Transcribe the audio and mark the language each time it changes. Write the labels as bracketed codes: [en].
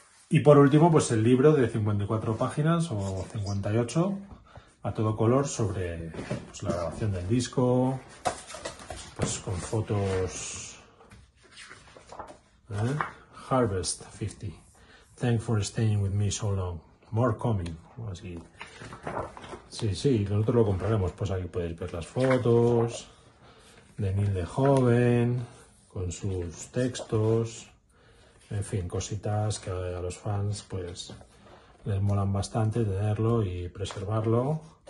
[es] Y por último, pues el libro de 54 páginas o 58 a todo color sobre pues la grabación del disco, pues con fotos. [en] Harvest 50. Thank for staying with me so long. More coming. [es] Así. Sí, nosotros lo compraremos. Pues aquí podéis ver las fotos de Neil de joven, con sus textos, en fin, cositas que a los fans pues les molan bastante tenerlo y preservarlo.